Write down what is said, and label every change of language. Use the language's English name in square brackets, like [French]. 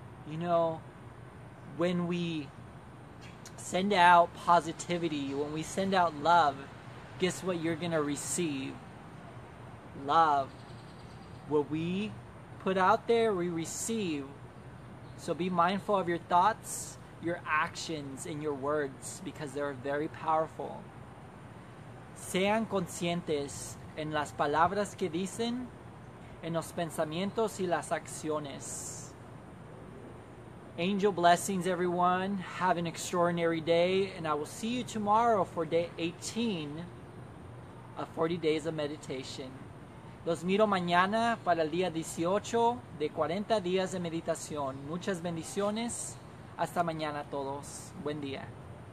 [English] You know, when we send out positivity, when we send out love, guess what you're gonna receive? Love. What we put out there, we receive. So be mindful of your thoughts, your actions, and your words, because they're very powerful. [Spanish] Sean conscientes en las palabras que dicen, en los pensamientos y las acciones. [English] Angel blessings, everyone. Have an extraordinary day, and I will see you tomorrow for day 18 of 40 days of meditation. [Spanish] Los miro mañana para el día 18 de 40 días de meditación. Muchas bendiciones. Hasta mañana, todos. Buen día.